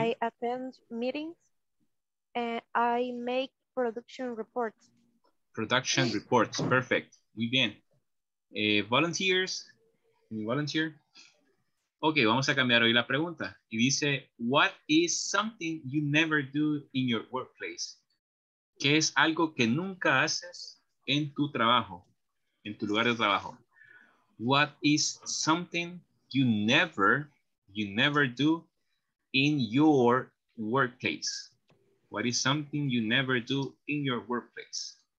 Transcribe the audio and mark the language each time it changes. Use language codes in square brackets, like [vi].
[en] I attend meetings and I make production reports. Production reports, perfect. [es] Muy bien. [en] Volunteers, can you volunteer? [es] Okay, vamos a cambiar hoy la pregunta. Y dice, [en] what is something you never do in your workplace? [es] ¿Qué es algo que nunca haces en tu trabajo, en tu lugar de trabajo? [en] What is something you never do in your workplace? What is something you never do in your workplace?